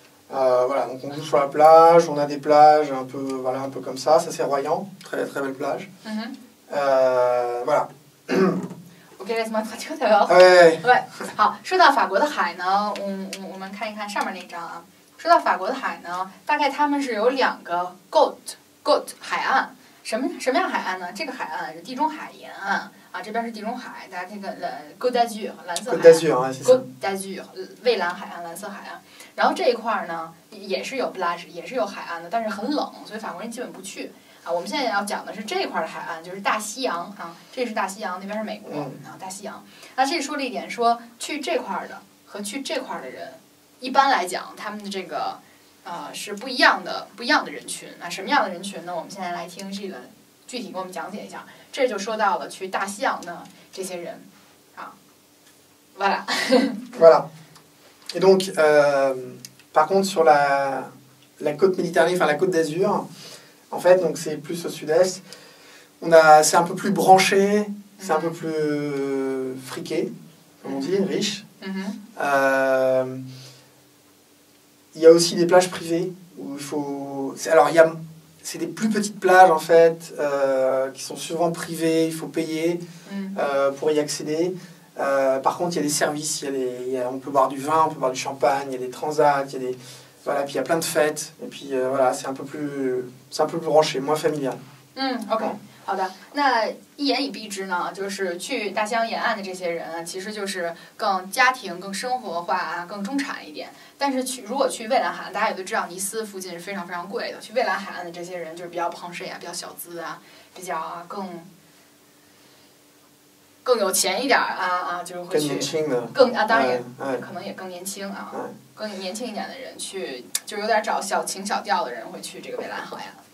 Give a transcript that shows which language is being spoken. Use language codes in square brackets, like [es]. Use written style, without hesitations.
[fr] Voilà, donc on bouge sur la plage, on a des plages un peu, voilà, un peu comme ça. Ça, c'est Royan, très très belle plage. Voilà. Ok, laisse-moi traduire d'abord. Ouais. [zh] 说到法国的海呢，我们看一看上面那张啊。说到法国的海呢，大概他们是有两个 Côte 海岸。什么样海岸呢？这个海岸是地中海沿岸啊，这边是地中海，大家这个Côte d'Azur 蓝色海岸。 [fr] Côte d'Azur, ouais, c'est ça. [zh] Côte d'Azur, 蔚蓝海岸，蓝色海岸。然后这一块呢，也是有 plage, 也是有海岸的，但是很冷，所以法国人基本不去啊。我们现在要讲的是这一块的海岸，就是大西洋啊，这是大西洋，那边是美国啊，大西洋。那这说了一点，说去这块的和去这块的人，一般来讲，他们的这个是不一样的人群啊。什么样的人群呢？我们现在来听这个具体给我们讲解一下。这就说到了去大西洋的这些人啊 ，voilà, [fr] voilà. Et donc, par contre, sur la côte méditerranée, enfin la côte d'Azur, en fait, donc c'est plus au sud-est, c'est un peu plus branché, c'est un peu plus friqué, comme on dit, riche. Il y a aussi des plages privées, où il faut... C'est des plus petites plages, en fait, qui sont souvent privées, il faut payer pour y accéder. Par contre, il y a des services, on peut boire du vin, on peut boire du champagne, il y a des transats, il y a des, Voilà, puis il y a plein de fêtes, et puis voilà, c'est un peu plus branché, moins familial. OK. [zh] 好的，那一言以蔽之呢，就是去大兴沿岸的这些人，其实就是更家庭、更生活化、更中产一点。但是去如果去蔚蓝海，大家也都知道，尼斯附近是非常非常贵的，去蔚蓝海岸的这些人就是比较庞氏也比较小资啊，比较更有钱一点啊，就是会去更年轻的，当然也可能也更年轻啊，更年轻一点的人去，就有点找小情小调的人会去这个蔚蓝海岸。